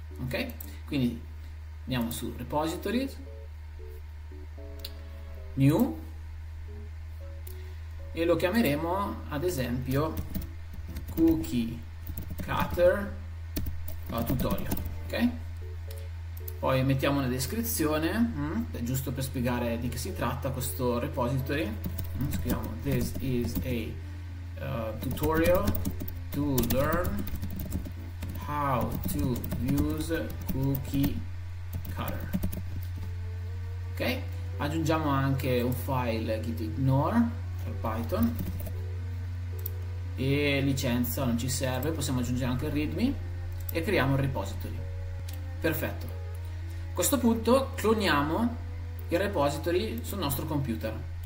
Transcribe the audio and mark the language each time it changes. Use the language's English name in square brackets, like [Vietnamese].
[Italian] Ok, quindi andiamo su Repositories, New e lo chiameremo ad esempio Cookie Cutter Tutorial. Ok, poi mettiamo una descrizione, giusto per spiegare di che si tratta questo repository. [English] Scriviamo: This is a tutorial to learn how to use cookie cutter. [Italian] Ok, aggiungiamo anche un file gitignore per Python e licenza non ci serve, possiamo aggiungere anche il README e creiamo un repository. Perfetto. A questo punto cloniamo il repository sul nostro computer.